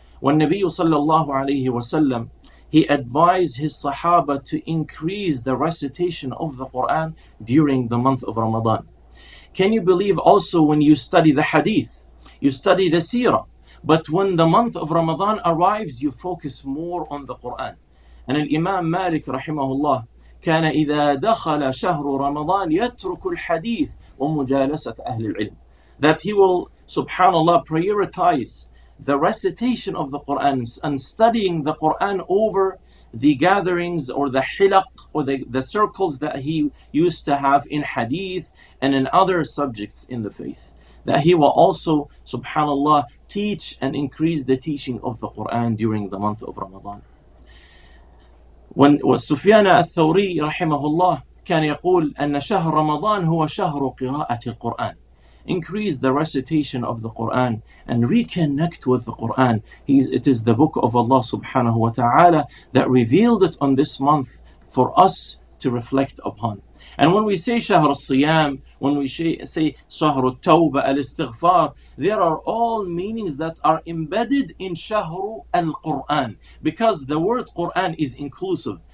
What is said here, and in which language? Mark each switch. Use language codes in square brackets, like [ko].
[en] When Nabi sallallahu alayhi wa sallam, he advised his Sahaba to increase the recitation of the Quran during the month of Ramadan. Can you believe also when you study the hadith, you study the seerah, but when the month of Ramadan arrives, you focus more on the Quran. [ar] And Imam Malik rahimahullah, كان إذا دخل شهر رمضان يترك الحديث ومجالسة أهل العلم. [en] That he will, subhanAllah, prioritize the recitation of the Qur'an and studying the Qur'an over the gatherings or the hilaq or the circles that he used to have in hadith and in other subjects in the faith. That he will also, subhanAllah, teach and increase the teaching of the Qur'an during the month of Ramadan. [ar] When سفيان الثوري رحمه الله كان يقول أن شهر رمضان هو شهر قراءة القرآن. [en] Increase the recitation of the Quran and reconnect with the Quran. It is the book of Allah subhanahu wa ta'ala that revealed it on this month for us to reflect upon. And when we say [ar] شهر الصيام, [en] when we say [ar] شهر التوبة الاستغفار, [en] there are all meanings that are embedded in [ar] شهر القرآن, [en] because the word Quran is inclusive.